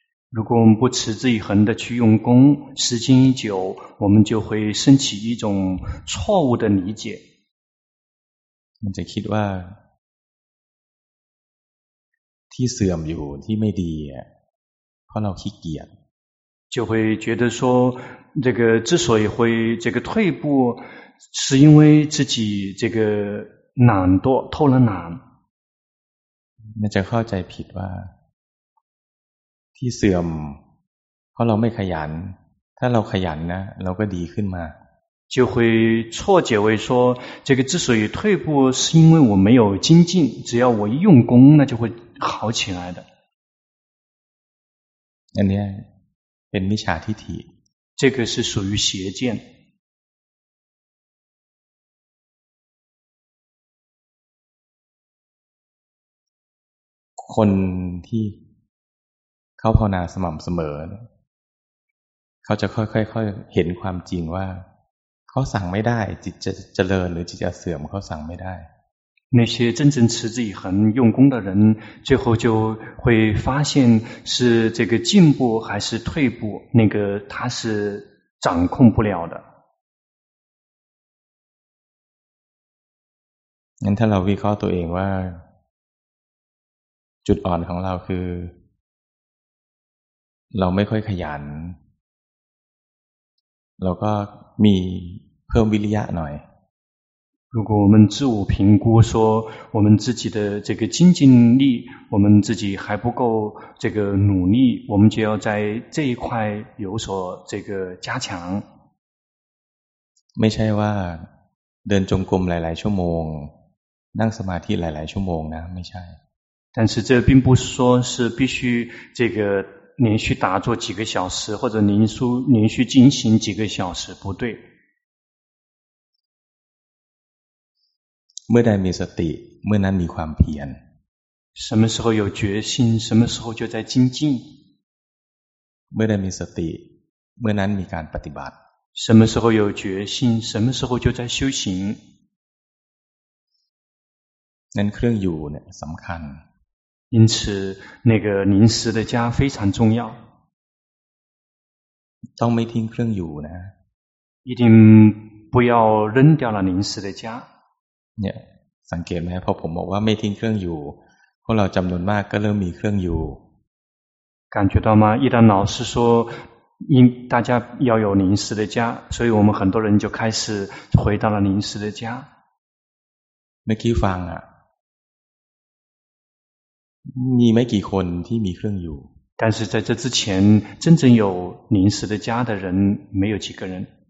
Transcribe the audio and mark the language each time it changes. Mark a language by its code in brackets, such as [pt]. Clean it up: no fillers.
[zh] 如果我们不持之以恒的去用功时间一久我们就会升起一种错误的理解 [th] มันจะคิดว่าที่เสื่อมอยู่ที่ไม่ดีเพราะเราขี้เกียจ [zh] 就会觉得说这个之所以会这个退步是因为自己这个懒惰偷了懒那就靠在 [th] ผิดว่าที่เสื่อมเพราะเราไม่ขยันถ้าเราขยันนะเราก็ดีขึ้นมา [zh] 就会错解为说这个之所以退步是因为我没有精进只要我一用功那就会好起来的 [th] อันนี้เป็นมิจฉาทิฏฐิ [zh] 这个是属于邪见 [th] คนที่เข้าภาวนาสม่ำเสมอเขาจะค่อยๆเห็นความจริงว่าเขาสั่งไม่ได้จิตจะเจริญหรือจิตจะเสื่อมเขาสั่งไม่ได้ [zh] 那些真正持之以恒用功的人最后就会发现是这个进步还是退步那个他是掌控不了的 [th] งั้นถ้าเราวิเคราะห์ตัวเองว่าจุดอ่อนของเราคือเราไม่ค่อยขยันเราก็มีเพิ่มวิริยะหน่อย [zh] 如果我们自我评估说我们自己的这个精进力我们自己还不够这个努力我们就要在这一块有所这个加强 [th] ไม่ใช่ว่าเดินจงกรมหลายๆชั่วโมงนั่งสมาธิหลายๆชั่วโมงนะไม่ใช่ [zh] 但是这并不是说是必须这个连续打坐几个小时或者连续进行几个小时不对 [th] เมื่อได้มีสติเมื่อนั้นมีความเพียร [zh] 什么时候有决心什么时候就在精进 [th] เมื่อได้มีสติเมื่อนั้นมีการปฏิบัติ [zh] 什么时候有决心什么时候就在修行 [th] นั้นเครื่องอยู่เนี่ยสำคัญ [zh] 因此那个临时的家非常重要 [th] ต้องไม่ทิ้งเครื่องอยู่นะ [zh] 一定不要扔掉了临时的家 [th] เนี่ยสังเกตไหมพอผมบอกว่าไม่ทิ้งเครื่องอยู่พวกเราจำนวนมากก็เริ่มมีเครื่องอยู่ [zh] 感觉到吗一旦老师说应大家要有临时的家所以我们很多人就开始回到了临时的家 [th] เมื่อกี้ฟังอ่ะมีไม่กี่คนที่มีเครื่องอยู่ [zh] 但是在这之前真正有临时的家的人没有几个人